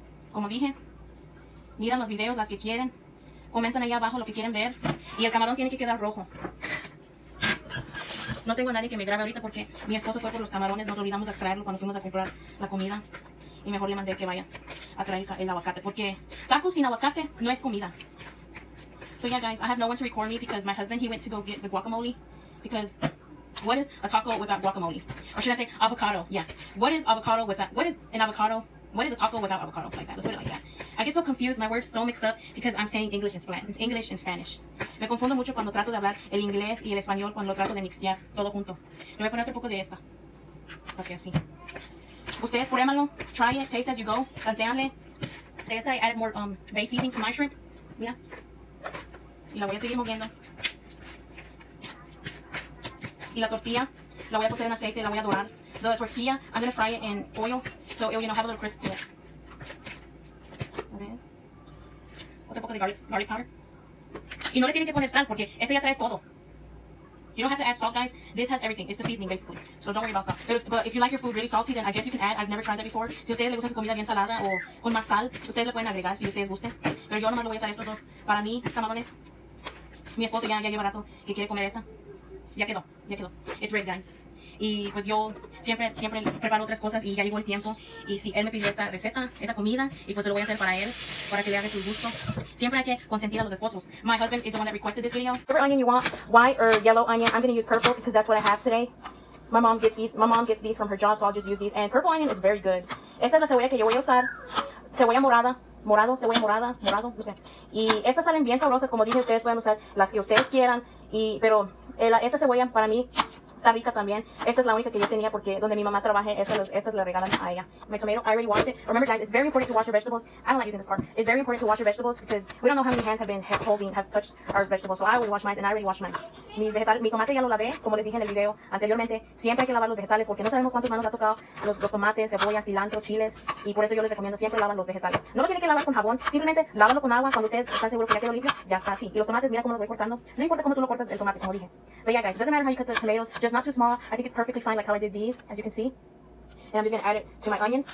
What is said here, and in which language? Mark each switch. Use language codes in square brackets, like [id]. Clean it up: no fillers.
[es] Como dije, miran los videos, las que quieren. Comentan ahí abajo lo que quieren ver. Y el camarón tiene que quedar rojo. No tengo a nadie que me grabe ahorita porque mi esposo fue por los camarones. Nos olvidamos de traerlo cuando fuimos a comprar la comida. Y mejor le mandé que vaya a traer el aguacate. Porque tacos sin aguacate no es comida. [en] So yeah guys, I have no one to record me because my husband, he went to go get the guacamole. Because what is a taco without guacamole? Or should I say avocado? Yeah. What is avocado without, what is an avocado? What is a taco without avocado? Like that. Let's put it like that. I get so confused. My words so mixed up because I'm saying English and Spanish. It's English and Spanish. [es] Me confundo mucho cuando trato de hablar el inglés y el español cuando lo trato de mixear todo junto. Le voy a poner otro poco de esta. Ok, así. Ustedes pruébalo. [en] Try it. Taste as you go. [es] Tanteanle. De esta [en] I added more bay seasoning to my shrimp. [es] Mira. Y la voy a seguir moviendo. Y la tortilla, la voy a poner en aceite, la voy a dorar. [en] La tortilla, I'm going to fry it in oil, so it will, you know, have a little crisp to it. Okay. [es] Otro poco de garlic powder. Y no le tienen que poner sal, porque este ya trae todo. [en] You don't have to add salt, guys. This has everything. It's the seasoning, basically. So don't worry about salt. But if you like your food really salty, then I guess you can add. I've never tried that before. [es] Si ustedes les gusta su comida bien salada o con más sal, ustedes le pueden agregar si ustedes gusten. Pero yo nomás le voy a usar estos dos. Para mí, camarones. Mi esposo ya lleva rato que quiere comer esta. Ya quedó. [en] It's ready, guys. [es] Y pues yo siempre preparo otras cosas y ya llegó el tiempo. Y sí, él me pidió esta receta, esta comida, y pues lo voy a hacer para él, para que le haga su gusto. Siempre hay que consentir a los esposos. [en] My husband is the one that requested this video. Whatever onion you want, white or yellow onion, I'm going to use purple because that's what I have today. My mom gets these from her job, so I'll just use these. And purple onion is very good. [es] Esta es la cebolla que yo voy a usar. Cebolla morada. Morado, cebolla morada, morado, no sé. Y estas salen bien sabrosas, como dije, ustedes pueden usar las que ustedes quieran. Y, pero esta cebolla para mí está rica también. Esta es la única que yo tenía porque donde mi mamá trabaja, estas le regalan a ella. [en] My tomato, I already washed it. Remember guys, it's very important to wash your vegetables. I don't like using this part. It's very important to wash your vegetables because we don't know how many hands have been holding, have touched our vegetables. So I always wash mine and I already washed mine. [es] Mis vegetales, mi tomate ya lo lavé, como les dije en el video anteriormente. Siempre hay que lavar los vegetales porque no sabemos cuántas manos ha tocado los tomates, cebolla, cilantro, chiles. Y por eso yo les recomiendo siempre lavan los vegetales. No lo tienen que lavar con jabón, simplemente lávalo con agua. Cuando ustedes están seguros que ya quedó limpio, ya está así. Y los tomates, mira cómo los voy cortando. No importa cómo tú lo cortas el tomate, como dije. [en] But yeah, guys, it doesn't matter how you cut the tomatoes, just not too small. I think it's perfectly fine, like how I did these, as you can see. And I'm just gonna add it to my onions.